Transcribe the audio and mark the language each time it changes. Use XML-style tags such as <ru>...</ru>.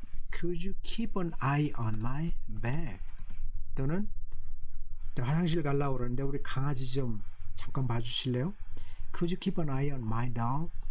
<en>Could you keep an eye on my bag?</en> <ko>또는 화장실 가려고 그러는데 우리 강아지 좀 잠깐 봐주실래요?</ko> <en>Could you keep an eye on my dog?</en>